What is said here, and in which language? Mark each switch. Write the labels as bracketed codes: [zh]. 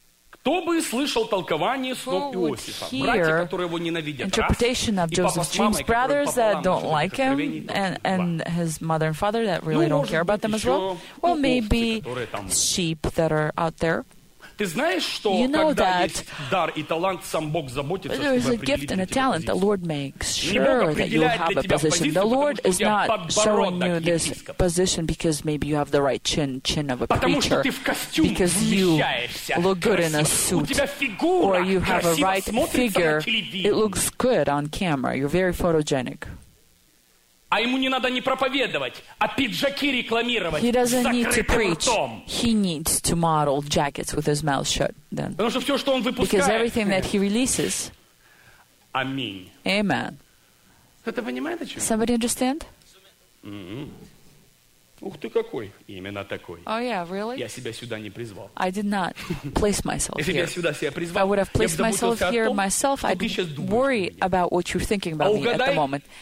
[ru] Кто бы слышал толкование снов Иосифа? Братья, которые его ненавидят, [en] interpretation of Joseph's dreams, brothers that don't like him, and his mother and father that really don't care about them as well. Well, maybe sheep that are out there. [ru] Ты знаешь, что [en] you know [ru] когда есть дар и талант, сам Бог заботится, чтобы определить на тебе [en] the Lord makes sure that you have a position. The Lord is not showing you this position because maybe you have the right chin of a preacher, because you look good in a suit, or you have a right figure. It looks good on camera. You're very photogenic. [ru] А ему не надо не проповедовать, а пиджаки рекламировать. [en] He doesn't need to preach. He needs to model jackets with his mouth shut then. [ru] Потому что все, что он выпускает. [en] Because everything that he releases. [ru] Аминь. [en] Amen. [ru] Кто-то понимает о чем? [en] Somebody understand? [ru] Ух ты какой, именно такой. [en] Oh yeah, really? [ru] Я себя сюда не призвал. [en] I did not place myself here. [ru] Если бы я сюда себя призвал, [en] I would have placed myself here myself. I'd worry about what you're thinking about me at the moment.